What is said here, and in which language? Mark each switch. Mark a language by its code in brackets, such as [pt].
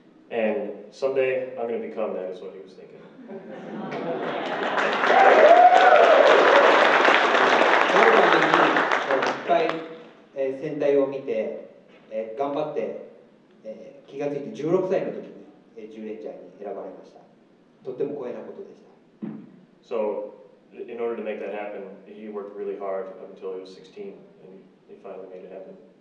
[en] And someday I'm going to become that, is what he was thinking. [ja] いっぱい戦隊を見て、頑張って、気がついて16歳の時に、ジュレンジャーに選ばれました。とっても光栄なことでした。 [en] So, in order to make that happen, he worked really hard up until he was 16, and he finally made it happen.